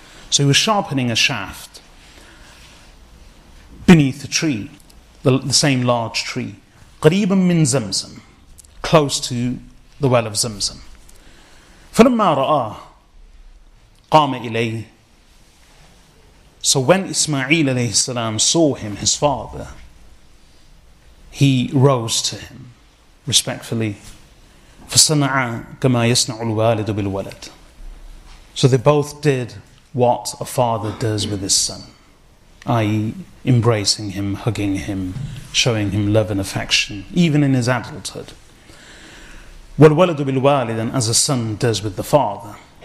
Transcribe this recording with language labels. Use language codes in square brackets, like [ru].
[en] So he was sharpening a shaft beneath the tree, the same large tree, [ar] قريبا من زمزم, [en] close to the well of زمزم. [ar] فلما رآه قام إليه. [en] So when Ismail alayhi salam saw him, his father, he rose to him respectfully. [ar] فصنع كما يصنع الوالد بالولد. [en] So they both did what a father does with his son, i.e. embracing him, hugging him, showing him love and affection, even in his adulthood. [ar] والولد بالوالد [en] as a son does with the father.